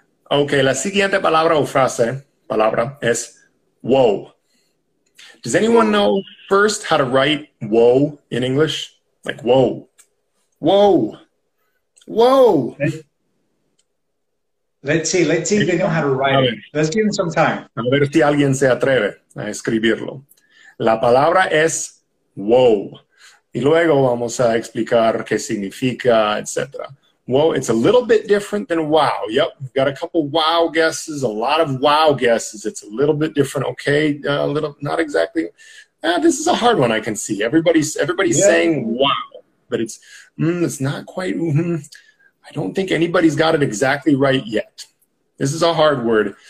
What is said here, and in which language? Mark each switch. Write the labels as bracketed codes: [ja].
[es] Okay, la siguiente palabra o frase, palabra, es whoa. [en] Does anyone know first how to write whoa in English? Like whoa. Whoa. Whoa. Let's see if they know how to write it. Let's give them some time. [es] A ver si alguien se atreve a escribirlo. La palabra es whoa. Y luego vamos a explicar qué significa, etc. [en] Whoa, it's a little bit different than wow. Yep, we've got a couple wow guesses, a lot of wow guesses. It's a little bit different, okay? Not exactly. This is a hard one, I can see. Everybody's saying wow, but it's not quite. I don't think anybody's got it exactly right yet. This is a hard word.